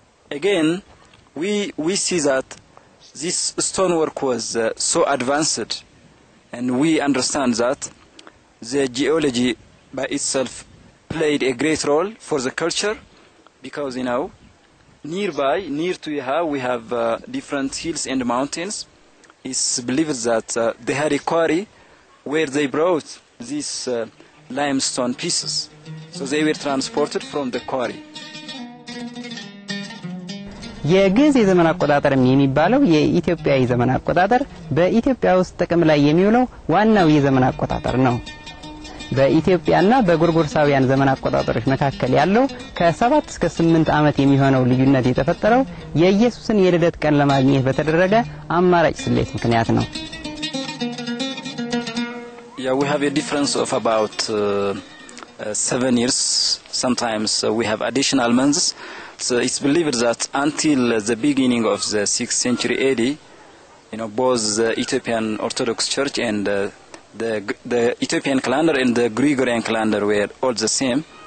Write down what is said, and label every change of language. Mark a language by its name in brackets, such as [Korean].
[English] Again, we see that this stonework was so advanced, and we understand that the geology by itself played a great role for the culture, because, you know, nearby, near to Yiha, we have different hills and mountains. It's believed that they had a quarry where they brought these limestone pieces. So they were transported from the quarry. [Amharic] የግዝ የዘመን አቆጣጠር የሚባለው የኢትዮጵያ የዘመን አቆጣጠር በኢትዮጵያ ውስጥ ጥቅም ላይ የሚውለው ዋናው የዘመን አቆጣጠር ነው። በኢትዮጵያና በጉርጉርሳውያን ዘመን አቆጣጠሮች መካከለ ያለው ከ7 እስከ 8 ዓመት የሚሆነው ልዩነት የተፈጠረው የኢየሱስን የልደት ቀን ለማግኘት በተደረገ አማራጭ ስሌት ምክንያት ነው። [English] Yeah, we have a difference of about 7 years. Sometimes we have additional months. So it's believed that until the beginning of the 6th century AD, you know, both the Ethiopian Orthodox Church and the Ethiopian calendar and the Gregorian calendar were all the same.